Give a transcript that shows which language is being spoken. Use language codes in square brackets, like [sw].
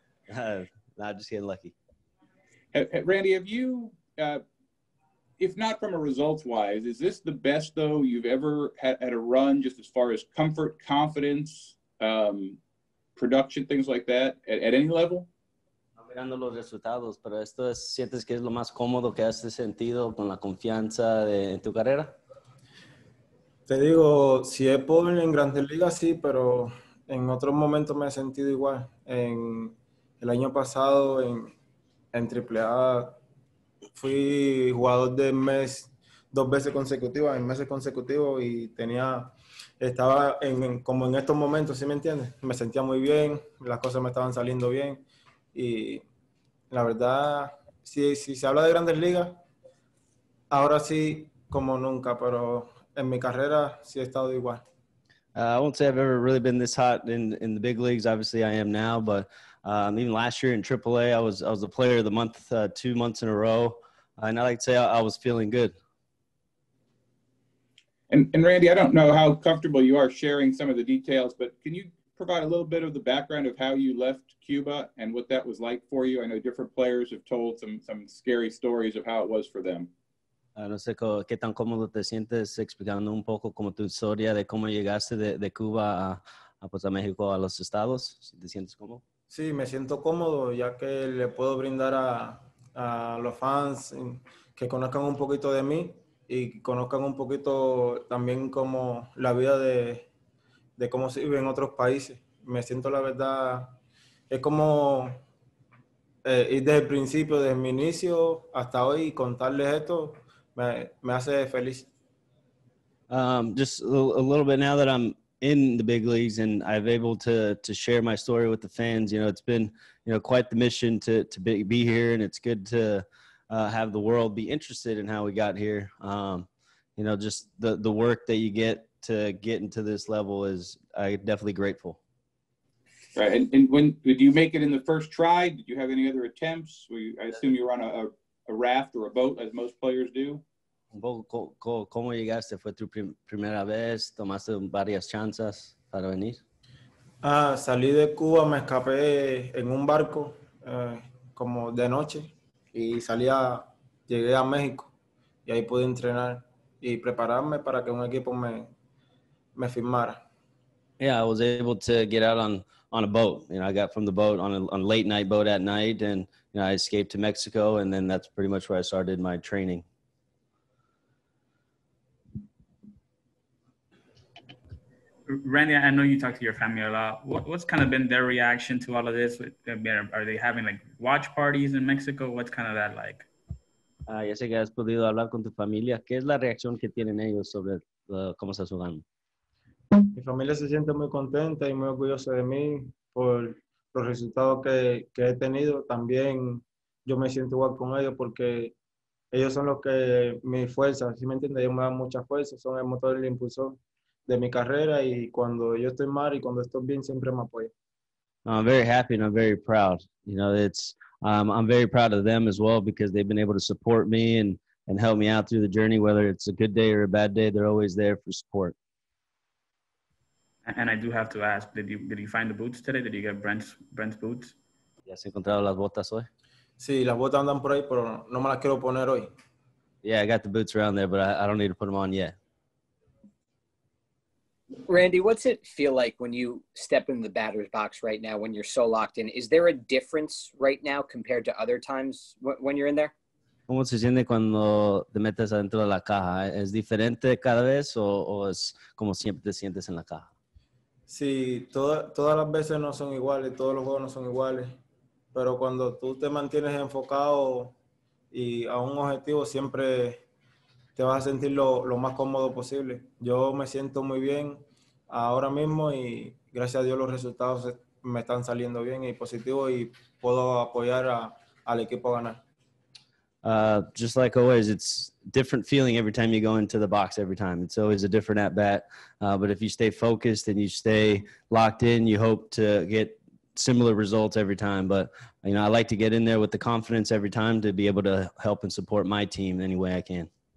[en] I just get lucky. Randy, have you, if not from a results-wise, is this the best, though, you've ever had a run just as far as comfort, confidence, production, things like that, at any level? [es] Mirando los resultados, pero esto es, ¿sientes que es lo más cómodo que has sentido con la confianza en tu carrera? Te digo, si he podido en Grandes Ligas, sí, pero en otros momentos me he sentido igual. En el año pasado, en AAA, fui jugador de mes dos meses consecutivos y estaba como en estos momentos, ¿sí me entiendes? Me sentía muy bien, las cosas me estaban saliendo bien y la verdad, si se habla de Grandes Ligas, ahora sí como nunca, pero en mi carrera sí he estado igual. [en] I won't say I've ever really been this hot in the big leagues. Obviously, I am now, but even last year in AAA, I was the player of the month 2 months in a row, and I like to say I was feeling good. And Randy, I don't know how comfortable you are sharing some of the details, but can you provide a little bit of the background of how you left Cuba and what that was like for you? I know different players have told some scary stories of how it was for them. [es] No sé qué tan cómodo te sientes explicando un poco como tu historia de cómo llegaste de Cuba a México, a los Estados. ¿Te sientes cómodo? Sí, me siento cómodo ya que le puedo brindar a los fans que conozcan un poquito de mí y conozcan un poquito también como la vida de cómo se vive en otros países. Me siento, la verdad, es como ir desde el principio, desde mi inicio hasta hoy y contarles esto. Me hace feliz. [en] Just a little bit now that I'm in the big leagues and I've able to share my story with the fans. You know, it's been, you know, quite the mission to be here, and it's good to have the world be interested in how we got here. You know, just the work that you get to get into this level is, I'm definitely grateful. Right, and when did you make it in the first try? Did you have any other attempts? I assume you were on a raft or a boat, as most players do. [es] Un poco, ¿cómo llegaste? ¿Fue tu primera vez? ¿Tomaste varias chances para venir? Salí de Cuba, me escapé en un barco, como de noche, y llegué a México, y ahí pude entrenar y prepararme para que un equipo me firmara. [en] Yeah, I was able to get out on a boat. You know, I got from the boat on a late night boat at night, and you know, I escaped to Mexico, and then that's pretty much where I started my training. Randy, I know you talk to your family a lot. What's kind of been their reaction to all of this? Are they having like watch parties in Mexico? What's kind of that like? [es] Ya sé que has podido hablar con tu familia. ¿Qué es la reacción que tienen ellos sobre cómo estás jugando? Mi familia se siente muy contenta y muy orgullosa de mí por los resultados que he tenido. También yo me siento igual con ellos porque ellos son los que mi fuerza, si me entiendes, ellos me dan mucha fuerza, son el motor y el impulsor de mi carrera, y cuando yo estoy mal y cuando estoy bien, siempre me apoyan. [en] I'm very happy and I'm very proud. You know, I'm very proud of them as well because they've been able to support me and help me out through the journey, whether it's a good day or a bad day, they're always there for support. And I do have to ask, did you find the boots today? Did you get Brent's boots? [es] ¿Ya has encontrado las botas hoy? Sí, las botas andan por ahí, pero no me las quiero poner hoy. [en] Yeah, I got the boots around there, but I don't need to put them on yet. Randy, what's it feel like when you step in the batter's box right now when you're so locked in? Is there a difference right now compared to other times when you're in there? [es] ¿Cómo se siente cuando te metes adentro de la caja? ¿Es diferente cada vez o es como siempre te sientes en la caja? Sí, todas las veces no son iguales, todos los juegos no son iguales, pero cuando tú te mantienes enfocado y a un objetivo, siempre te vas a sentir lo más cómodo posible. Yo me siento muy bien ahora mismo y gracias a Dios los resultados me están saliendo bien y positivo y puedo apoyar al equipo a ganar. [en] Just like always, it's different feeling every time you go into the box every time. It's always a different at bat. But if you stay focused and you stay locked in, you hope to get similar results every time. But, you know, I like to get in there with the confidence every time to be able to help and support my team any way I can.